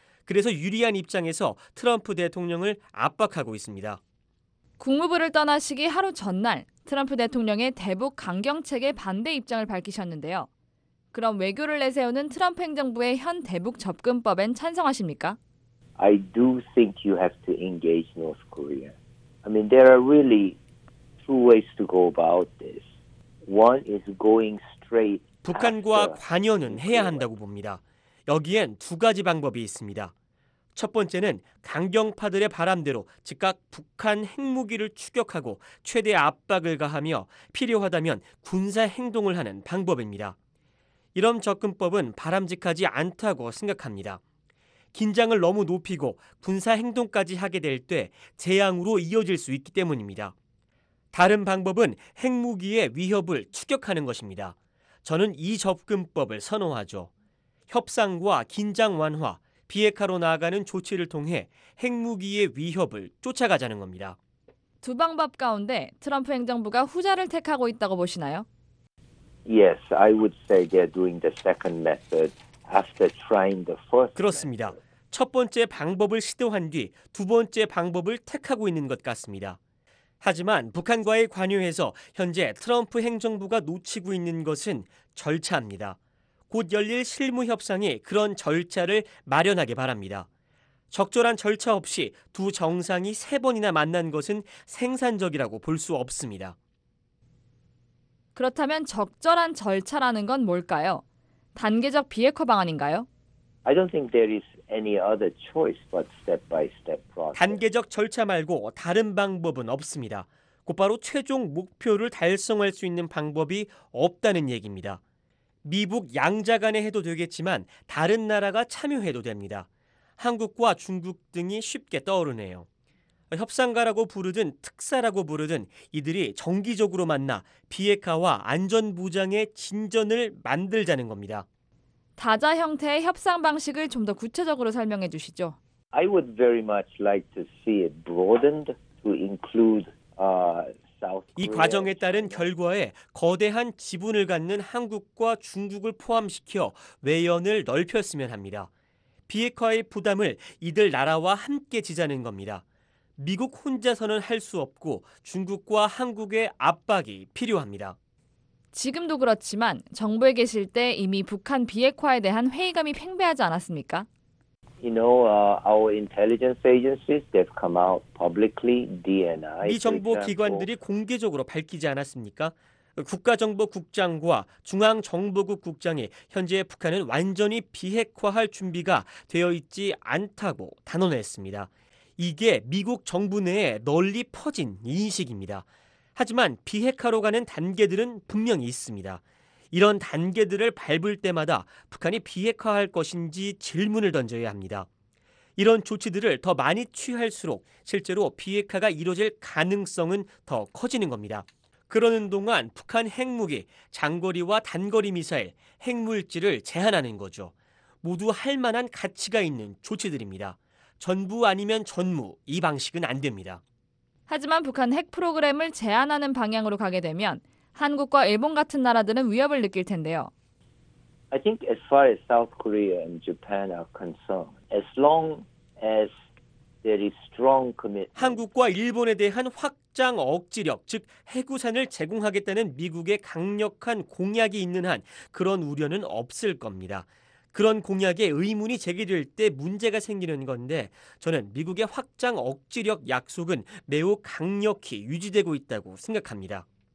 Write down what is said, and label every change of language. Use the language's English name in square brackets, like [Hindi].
[Korean] 그래서 유리한 입장에서 트럼프 대통령을 압박하고 있습니다. 국무부를 떠나시기 하루 전날 트럼프 대통령의 대북 강경책에 반대 입장을 밝히셨는데요. 그럼 외교를 내세우는 트럼프 행정부의 현 대북 접근법엔 찬성하십니까? [English] I do think you have to engage North Korea. I mean, there are really two ways to go about this. One is going straight. [Korean] 북한과 관여는 해야 한다고 봅니다. 여기엔 두 가지 방법이 있습니다. 첫 번째는 강경파들의 바람대로 즉각 북한 핵무기를 추격하고 최대 압박을 가하며 필요하다면 군사 행동을 하는 방법입니다. 이런 접근법은 바람직하지 않다고 생각합니다. 긴장을 너무 높이고 군사 행동까지 하게 될 때 재앙으로 이어질 수 있기 때문입니다. 다른 방법은 핵무기의 위협을 추격하는 것입니다. 저는 이 접근법을 선호하죠. 협상과 긴장 완화, 비핵화로 나아가는 조치를 통해 핵무기의 위협을 쫓아가자는 겁니다. 두 방법 가운데 트럼프 행정부가 후자를 택하고 있다고 보시나요? [English] Yes, I would say they're doing the second method after trying the first. [Korean] 그렇습니다. 첫 번째 방법을 시도한 뒤 두 번째 방법을 택하고 있는 것 같습니다. 하지만 북한과의 관여에서 현재 트럼프 행정부가 놓치고 있는 것은 절차입니다. 곧 열릴 실무협상이 그런 절차를 마련하기 바랍니다. 적절한 절차 없이 두 정상이 세 번이나 만난 것은 생산적이라고 볼 수 없습니다. 그렇다면 적절한 절차라는 건 뭘까요? 단계적 비핵화 방안인가요? [English] I don't think there is any other choice but step-by-step process. [Korean] 단계적 절차 말고 다른 방법은 없습니다. 곧바로 최종 목표를 달성할 수 있는 방법이 없다는 얘기입니다. 미국 양자 간에 해도 되겠지만 다른 나라가 참여해도 됩니다. 한국과 중국 등이 쉽게 떠오르네요. 협상가라고 부르든 특사라고 부르든 이들이 정기적으로 만나 비핵화와 안전보장의 진전을 만들자는 겁니다. 다자 형태의 협상 방식을 좀 더 구체적으로 설명해 주시죠. [English] I would very much like to see it broadened to include South Korea. [Korean] 이 과정에 따른 결과에 거대한 지분을 갖는 한국과 중국을 포함시켜 외연을 넓혔으면 합니다. 비핵화의 부담을 이들 나라와 함께 지자는 겁니다. 미국 혼자서는 할 수 없고 중국과 한국의 압박이 필요합니다. 지금도 그렇지만 정부에 계실 때 이미 북한 비핵화에 대한 회의감이 팽배하지 않았습니까? [English] You know, our intelligence agencies, they've come out publicly, DNI. [Korean] 미 정보 기관들이 공개적으로 밝히지 않았습니까? 국가정보국장과 중앙정보국 국장이 현재 북한은 완전히 비핵화할 준비가 되어 있지 않다고 단언했습니다. 이게 미국 정부 내에 널리 퍼진 인식입니다. 하지만 비핵화로 가는 단계들은 분명히 있습니다. 이런 단계들을 밟을 때마다 북한이 비핵화할 것인지 질문을 던져야 합니다. 이런 조치들을 더 많이 취할수록 실제로 비핵화가 이루어질 가능성은 더 커지는 겁니다. 그러는 동안 북한 핵무기, 장거리와 단거리 미사일, 핵물질을 제한하는 거죠. 모두 할 만한 가치가 있는 조치들입니다. 전부 아니면 전무, 이 방식은 안 됩니다. 하지만 북한 핵 프로그램을 제한하는 방향으로 가게 되면 한국과 일본 같은 나라들은 위협을 느낄 텐데요. [English] I think as far as South Korea and Japan are concerned, as long as there is strong commitment. [Korean] 한국과 일본에 대한 확장 억지력, 즉 핵우산을 제공하겠다는 미국의 강력한 공약이 있는 한 그런 우려는 없을 겁니다. 그런 공약에 의문이 제기될 때 문제가 생기는 건데 저는 미국의 확장 억지력 약속은 매우 강력히 유지되고 있다고 생각합니다.